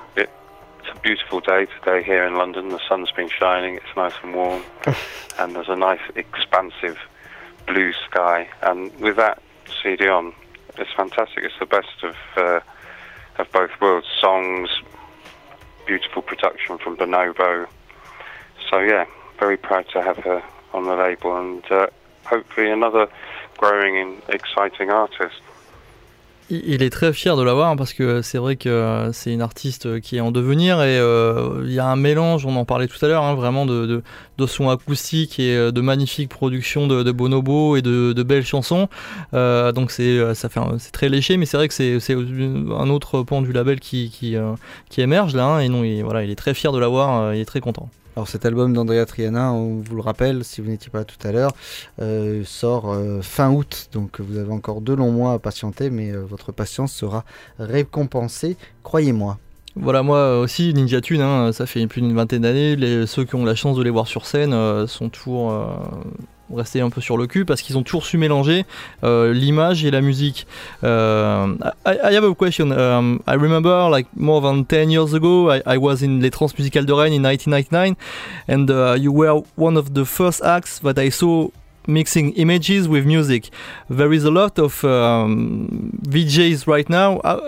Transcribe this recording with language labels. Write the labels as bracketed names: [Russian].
[English] It's a beautiful day today here in London. The sun's been shining, it's nice and warm, and there's a nice expansive blue sky, and with that CD on, it's fantastic. It's the best of both worlds. Songs, beautiful production from Bonobo. So yeah, very proud to have her on the label, and hopefully another growing and exciting artist. [French] Il est très fier de l'avoir, parce que c'est vrai que c'est une artiste qui est en devenir, et il y a un mélange, on en parlait tout à l'heure, hein, vraiment de son acoustique et de magnifiques productions de Bonobo et de belles chansons. Donc c'est très léché, mais c'est vrai que c'est un autre pan du label qui émerge là, hein, et non, voilà, il est très fier de l'avoir, il est très content. Alors cet album d'Andrea Triana, on vous le rappelle si vous n'étiez pas là tout à l'heure, sort fin août, donc vous avez encore deux longs mois à patienter, mais votre patience sera récompensée, croyez-moi. Voilà, moi aussi Ninja Tune, hein, ça fait plus d'une vingtaine d'années, ceux qui ont la chance de les voir sur scène sont toujours restés un peu sur le cul, parce qu'ils ont toujours su mélanger l'image et la musique. [English] I have a question. I remember like more than 10 years ago, I was in Les Trans Musicales de Rennes in 1999, and you were one of the first acts that I saw mixing images with music. There is a lot of VJs right now.